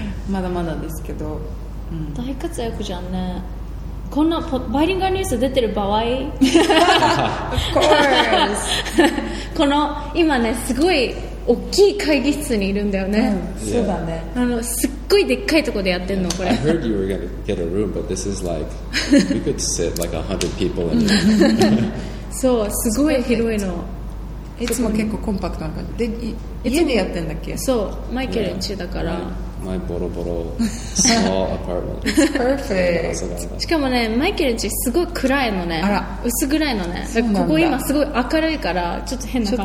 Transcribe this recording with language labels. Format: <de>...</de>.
<ja>まだまだですけど。大活躍じゃんね。こんなバイリンガルニュース出てる場合</ja> <en>Of course</en> <ja>この今ねすごい大きい会議室にいるんだよね、そうだねあのすっごいでっかいとこでやってんの、これ</ja> <en>I heard you were gonna get a room but this is like we could sit like 100 people in here</en> <ja>そう、すごい広いの。いつも結構コンパクトな感じで、家でやってんだっけ。そう、マイケルの家だから、</ja> <en>my</en> <ja>ボロボロ</ja> <en>small apartment. Perfect.</en> <ja>しかもね、マイケルの家すごい暗いのね。あら、薄暗いのね。だからここ今すごい明るいから、ちょっと変な感じ。</ja>